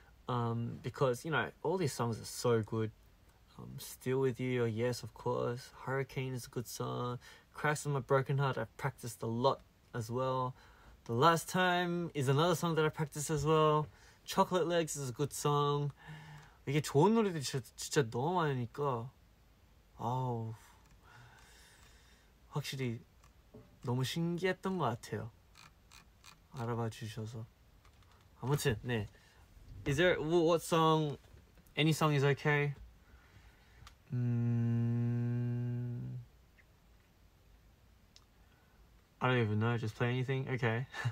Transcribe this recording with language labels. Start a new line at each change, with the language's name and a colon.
English: Because, you know, all these songs are so good. Still With You, yes, of course. Hurricane is a good song. Cracks on My Broken Heart, I've practiced a lot as well. The Last Time is another song that I practiced as well. Chocolate Legs is a good song.
Korean: 이게 좋은 노래들이 진짜 너무 많으니까. 아우. 확실히 너무 신기했던 것 같아요. 알아봐 주셔서. 아무튼 네,
English: is there what song, any song is okay. 음, I don't even know, just play anything. Okay.